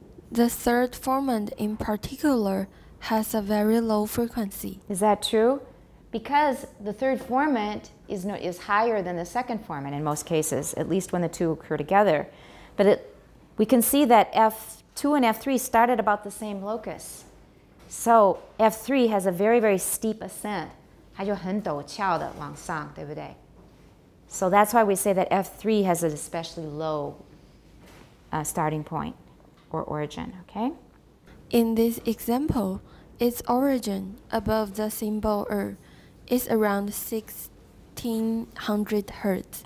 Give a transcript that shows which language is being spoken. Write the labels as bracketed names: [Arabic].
[English] The third formant in particular has a very low frequency. Is that true? Because the third formant is higher than the second formant in most cases, at least when the two occur together. But we can see that F2 and F3 start at about the same locus. So F3 has a very, very steep ascent. [Chinese] 它就很陡峭的往上，对不对? [English] So that's why we say that F3 has an especially low starting point or origin, okay? In this example, its origin above the symbol R is around 1600 hertz.